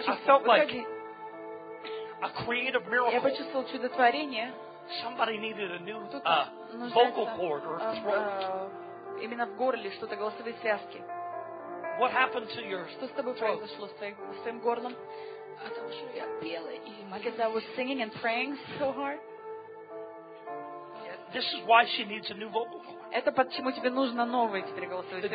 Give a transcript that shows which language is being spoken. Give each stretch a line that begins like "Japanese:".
Russian: чувствовал. Выходи.
English: A creative miracle.
Russian: Я почувствовал чудотворение.
English: Somebody needed a new vocal cord or throat.
Russian: Именно в горле что-то, голосовые связки.
English: What happened to your throat?
Russian: Что с тобой произошло с твоим горлом? Потому что я пела и молилась.
English: Because I was singing and praying so hard. This is why she needs a new vocal cord.
Russian: Это почему тебе нужно новое теперь голосовое связки.